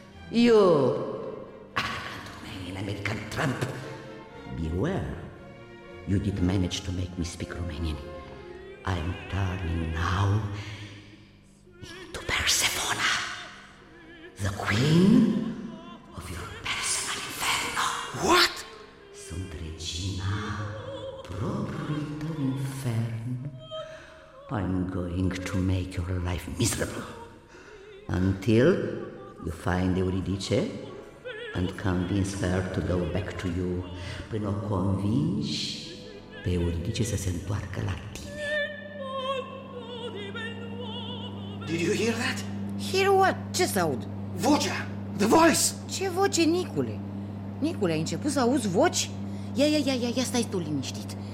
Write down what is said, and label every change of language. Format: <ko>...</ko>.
<en>You, Romanian American Trump, beware. You did manage to make me speak Romanian. I'm turning now into Persephone, the queen of your personal inferno. What?</en> <ro>Sunt regina propriului tău infern.</ro> <en>I'm going to make your life miserable until you find Euridice and convince her to go back to you.</en> <ro>Până o convingi pe Euridice să se întoarcă la tine.</ro> <en>Did you hear that? Hear what?</en> <ro>Ce să aud? Vocea!</ro> <en>The voice!</en> <ro>Ce voce, Nicule? Nicule, ai început să auzi voci? Ia, stai tu liniștit.</ro>